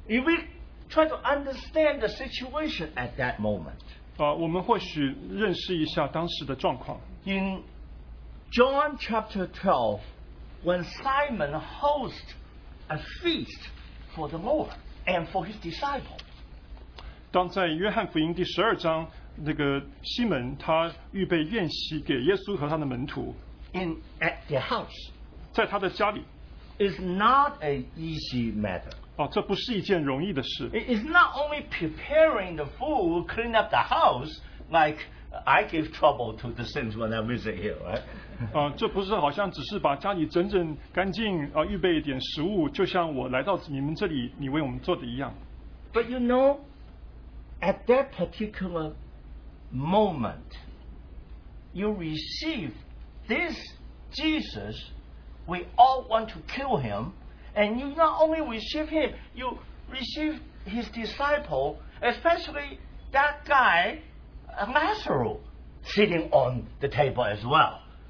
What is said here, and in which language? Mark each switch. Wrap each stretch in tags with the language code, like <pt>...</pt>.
<en>If we try to understand the situation at that moment,</en> <zh>我们或许认识一下当时的状况。</zh> <en>In John chapter 12, when Simon hosts a feast for the Lord and for his disciples,</en> <zh>当在约翰福音第12章, 那个西门他预备宴席给耶稣和他的门徒,</zh> <en>in at their house,</en> <zh>在他的家里,</zh> <en>is not an easy matter.</en> <zh>这不是一件容易的事。</zh> <en>It's not only preparing the food, clean up the house, like I give trouble to the saints when I visit here, right?</en> <zh>这不是好像只是把家里整整干净，预备一点食物, 就像我来到你们这里，你为我们做的一样。</zh> <en>But you know, at that particular moment, you receive this Jesus, we all want to kill him, and you not only receive him, you receive his disciple, especially that guy, Lazarus, sitting on the table as well.</en>